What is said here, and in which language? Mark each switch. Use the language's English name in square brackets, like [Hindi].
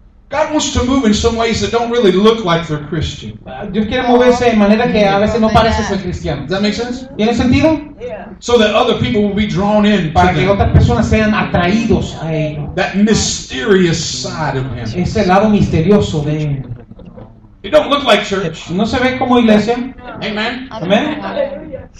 [English] God wants to move in some ways that don't really look like they're Christian. [Spanish] Dios quiere moverse en manera que a veces no parece ser cristiano. [English] Does that make sense? [Spanish] ¿Tiene sentido? [English] Yeah. So that other people will be drawn in [Spanish] para que [English] them. [Spanish] Otras personas sean atraídos a él. [English] That mysterious side of him. [Spanish] Ese lado misterioso de él. [English] It don't look like church. [Spanish] No se ve como iglesia. [English] Amen. [Spanish] Amen.